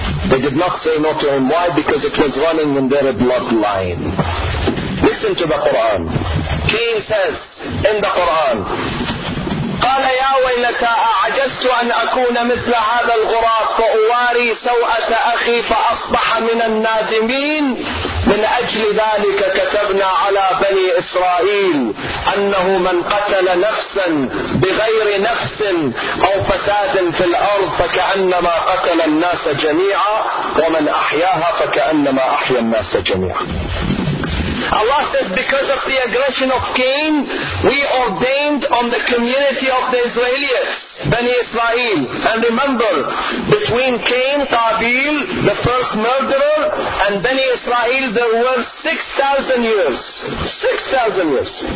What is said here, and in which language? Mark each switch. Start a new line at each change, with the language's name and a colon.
English: They did not say no to him. Why? Because it was running in their bloodline. Listen to the Quran. Cain says in the Quran,
Arabic: قال يا ويلتا أعجزت أن أكون مثل هذا الغراب فأواري سوءة أخي فأصبح من النادمين من أجل ذلك كتبنا على بني إسرائيل أنه من قتل نفسا بغير نفس أو فساد في الأرض فكأنما قتل الناس جميعا ومن أحياها فكأنما أحيا الناس جميعا.
English: Allah says, because of the aggression of Cain, we ordained on the community of the Israelites, Bani Israel. And remember, between Cain, Qabil, the first murderer, and Bani Israel, there were 6,000 years. 6,000 years.